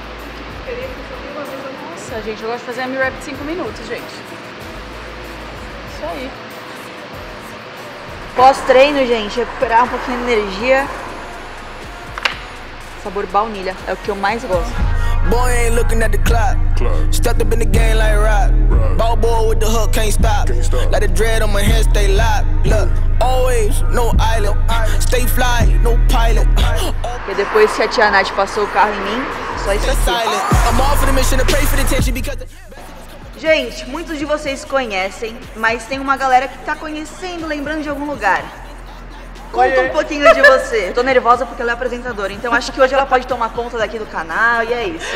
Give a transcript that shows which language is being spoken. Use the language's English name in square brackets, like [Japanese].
[Portuguese] Nossa, gente, eu gosto de fazer a minha rap de 5 minutos, gente. Isso aí. Pós-treino, gente, recuperar um pouquinho de energia. Sabor baunilha, é o que eu mais gosto. [English] Boy ain't looking at the clock. Stepped up in the game like rock. Ball boy with the hook, can't stop. Let the dread on my head stay locked. Look, always no island. Stay fly, no pilot. [Portuguese] Porque depois que a tia Nath passou o carro em mim, só isso aqui. Gente, muitos de vocês conhecem, mas tem uma galera que tá conhecendo, lembrando de algum lugar. Conta um pouquinho de você. Eu tô nervosa porque ela é apresentadora, então acho que hoje ela pode tomar conta daqui do canal e é isso.